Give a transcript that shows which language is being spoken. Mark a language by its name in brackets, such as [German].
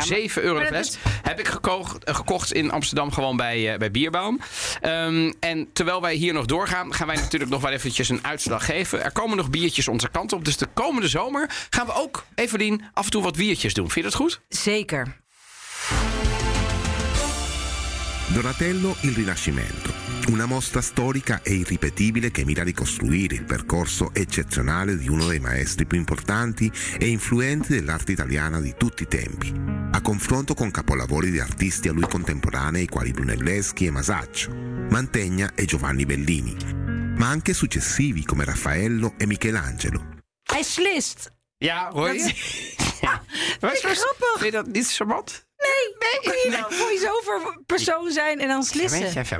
[Dutch] 7 euro de fles. Heb ik gekocht in Amsterdam gewoon bij Bierbaum. En terwijl wij hier nog doorgaan, gaan wij natuurlijk nog wel eventjes een uitslag geven. Er komen nog biertjes onze kant op. Dus de komende zomer gaan we ook, Evelien, af en toe wat biertjes doen. Vind je dat goed? Zeker. [Italian] Donatello il Rinascimento. Una mostra storica e irripetibile che mira a ricostruire il percorso eccezionale di uno dei maestri più importanti e influenti dell'arte italiana di tutti i tempi, a confronto con capolavori di artisti a lui contemporanei quali Brunelleschi e Masaccio, Mantegna e Giovanni Bellini, ma anche successivi come Raffaello e Michelangelo. [Dutch] È slist! Ja, hoi! Ja, che grappig! Vind je dat niet charmant? Nee, hoe je zo voor persoon zijn en dan slissen.